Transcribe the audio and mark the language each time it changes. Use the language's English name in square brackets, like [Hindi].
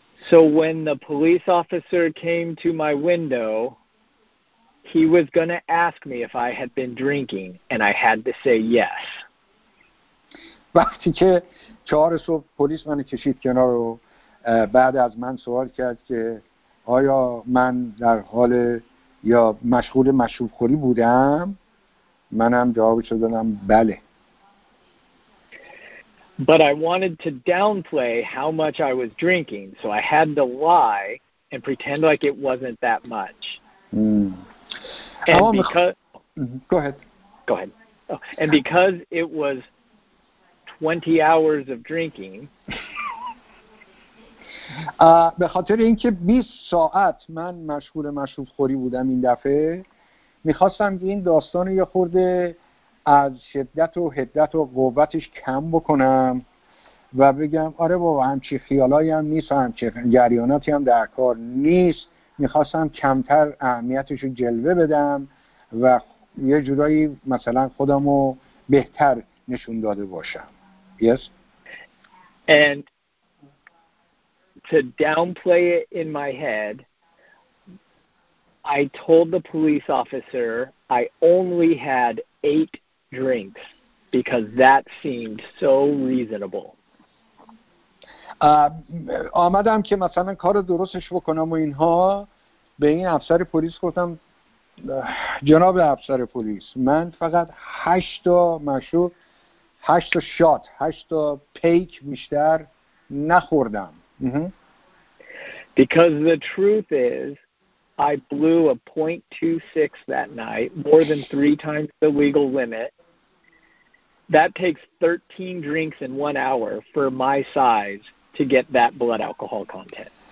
[English] So when the police officer came to my window, he was going to ask me if I had been drinking, and I had to say yes. [Persian] وقتی که 4 صبح پلیس منو کشید کنار و بعد از من سوال کرد که آیا من در حال یا مشغول مشروب خوری بودم، منم جوابش دادم بله. [English] But I wanted to downplay how much I was drinking, so I had to lie and pretend like it wasn't that much. And Go ahead. Oh, and because it was 20 hours of drinking, [Persian] به خاطر اینکه 20 ساعت من مشغول مشروب خوری بودم این دفعه، میخواستم این داستان یه خورده از شدت و حدت و قوتش کم بکنم و بگم آره بابا همچی خیالایی هم نیست و همچی جریاناتی هم در کار نیست. میخواستم کمتر اهمیتش رو جلوه بدم و یه جورایی مثلا خودمو بهتر نشون داده باشم. [English] Yes. And to downplay it in my head, I told the police officer I only had 8 drinks because that seemed so reasonable. [Persian] آمدم که مثلا کار درستش بکنم و اینها. به این افسر پلیس گفتم جناب افسر پلیس، من فقط 8 تا مشروب، 8 تا شات، 8 تا پیک بیشتر نخوردم. [English] Because the truth is I blew a .26 that night, more than 3 times the legal limit. That takes 13 drinks in 1 hour for my size to get that blood alcohol content.